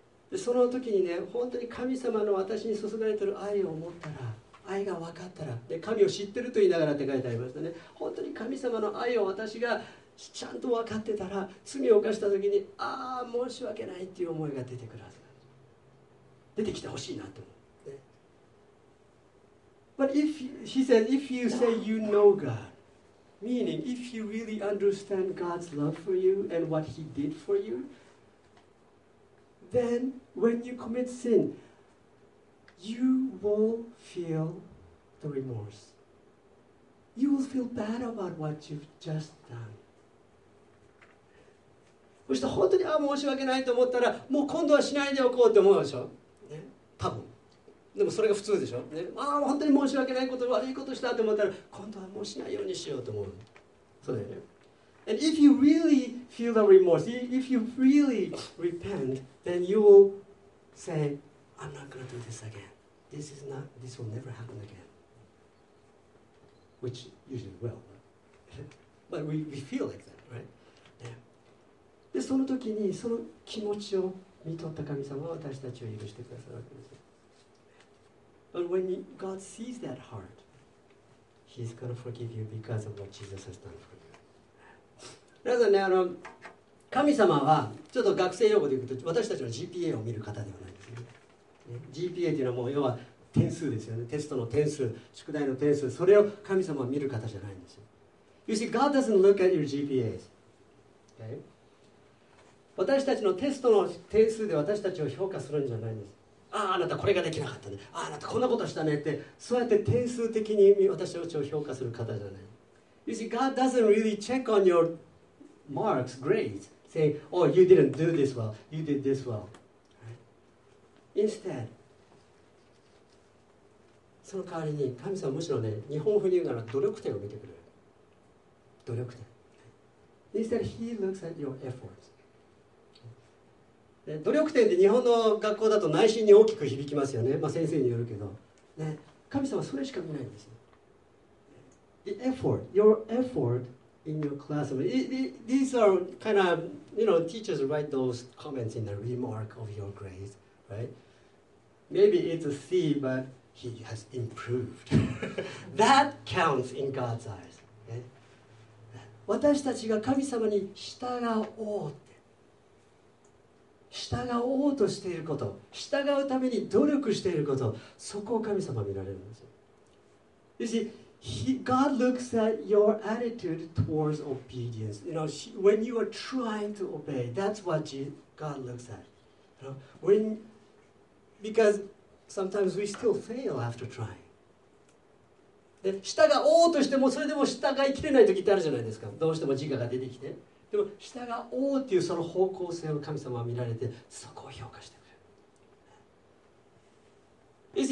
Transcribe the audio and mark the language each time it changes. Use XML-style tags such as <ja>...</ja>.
<ja>でその時にね、本当に神様の私に注がれている愛を思ったら、愛が分かったら、で神を知ってると言いながらって書いてありましたね。本当に神様の愛を私がちゃんと分かってたら、罪を犯した時に、ああ、申し訳ないっていう思いが出てくるはず。出てきてほしいなと思う。</ja> <en>But if, he said, if you say you know God, meaning if you really understand God's love for you and what He did for you, then when you commit sin, you will feel the remorse. You will feel bad about what you've just done.</en> <ja>そして本当に、ああ、申し訳ないと思ったら、もう今度はしないでおこうって思うでしょ？ね、多分。でもそれが普通でしょ、ね、ああ本当に申し訳ないこと、悪いことしたと思ったら、今度はもうしないようにしようと思う。そうだよね。</ja> <en>And if you really feel the remorse, if you really repent, then you will say, I'm not going to do this again. This is not, this will never happen again. Which usually will. But we feel like that, right?、</en> <ja>Yeah. で、その時にその気持ちを見取った神様は私たちを許してくださるわけです。</ja> <en>But when God sees that heart, He's going to forgive you because of what Jesus has done for you.</en> <ja>皆さんね、あの、神様は、ちょっと学生用語で言うと、私たちの GPA を見る方ではないですね。 GPA というのはもう、要は点数ですよね。テストの点数、宿題の点数、それを神様は見る方じゃないんですよ。</ja> <en>You see, God doesn't look at your GPA. Okay?</en> <ja>私たちのテストの点数で私たちを評価するんじゃないんです。ああ、あなたこれができなかったね。ああ、あなたこんなことしたねって、そうやって点数的に私たちを評価する方じゃない。</ja> <en>You see, God doesn't really check on your marks, grades, saying, oh, you didn't do this well, you did this well.、Right? Instead,</en> <ja>その代わりに、神様はむしろね、日本風に言うなら努力点を見てくれる。努力点。</ja> <en>Instead, He looks at your efforts.</en> <ja>努力点で日本の学校だと内心に大きく響きますよね、まあ、先生によるけど、ね、神様はそれしか見ないんですよ。</ja> <en>The effort, your effort in your classroom. These are kind of, you know, teachers write those comments in the remark of your grades, right? Maybe it's a C, but he has improved. That counts in God's eyes.、Okay?</en> <ja>私たちが神様に従おうって従おうとしていること、従うために努力していること、そこを神様は見られるんですよ。</ja> <en>You see, God looks at your attitude towards obedience. You know, when you are trying to obey, that's what God looks at. You know, when, because sometimes we still fail after trying.</en> <ja>で従おうとしてもそれでも従いきれない時ってあるじゃないですか。どうしても自我が出てきて、でも従おうっていうその方向性を神様は見られて、そこを評価してくれる。</ja>